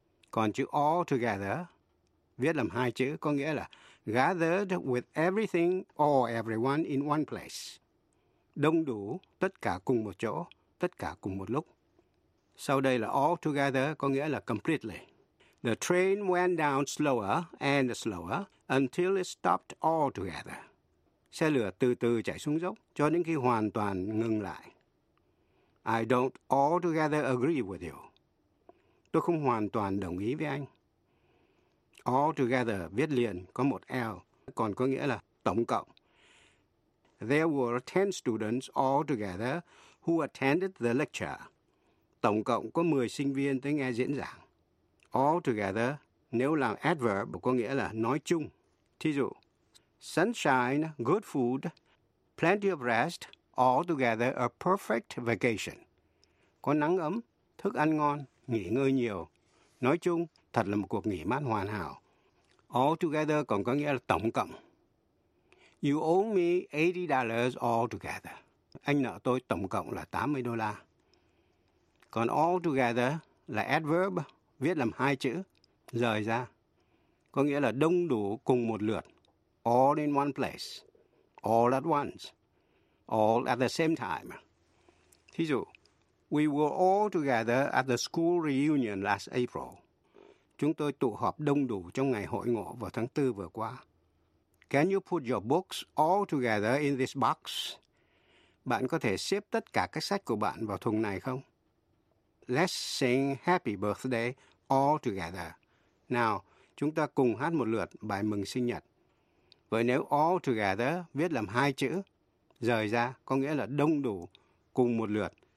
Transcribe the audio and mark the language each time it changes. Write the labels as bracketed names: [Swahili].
[Vietnamese] Còn chữ all together viết làm hai chữ có nghĩa là [English] gathered with everything or everyone in one place. [Vietnamese] Đông đủ, tất cả cùng một chỗ, tất cả cùng một lúc. Sau đây là all together có nghĩa là completely. [English] The train went down slower and slower until it stopped altogether. [Vietnamese] Xe lửa từ từ chạy xuống dốc cho đến khi hoàn toàn ngừng lại. [English] I don't altogether agree with you. [Vietnamese] Tôi không hoàn toàn đồng ý với anh. Altogether viết liền có một L, còn có nghĩa là tổng cộng. [English] There were 10 students altogether who attended the lecture. [Vietnamese] Tổng cộng có 10 sinh viên tới nghe diễn giảng. All together, nếu là adverb, có nghĩa là nói chung. Thí dụ, [English] sunshine, good food, plenty of rest, all together a perfect vacation. [Vietnamese] Có nắng ấm, thức ăn ngon, nghỉ ngơi nhiều. Nói chung, thật là một cuộc nghỉ mát hoàn hảo. All together còn có nghĩa là tổng cộng. [English] You owe me $80 altogether. [Vietnamese] Anh nợ tôi tổng cộng là $80. Còn altogether là adverb, viết làm hai chữ, rời ra. Có nghĩa là đông đủ cùng một lượt. [English] All in one place. All at once. All at the same time. [Vietnamese] Thí dụ, [English] we were all together at the school reunion last April. [Vietnamese] Chúng tôi tụ họp đông đủ trong ngày hội ngộ vào tháng 4 vừa qua. [English] Can you put your books all together in this box? [Vietnamese] Bạn có thể xếp tất cả các sách của bạn vào thùng này không? [English] Let's sing happy birthday all together. [Vietnamese] Now, chúng ta cùng hát một lượt bài mừng sinh nhật. Vậy nếu all together viết làm hai chữ, rời ra có nghĩa là đông đủ cùng một lượt.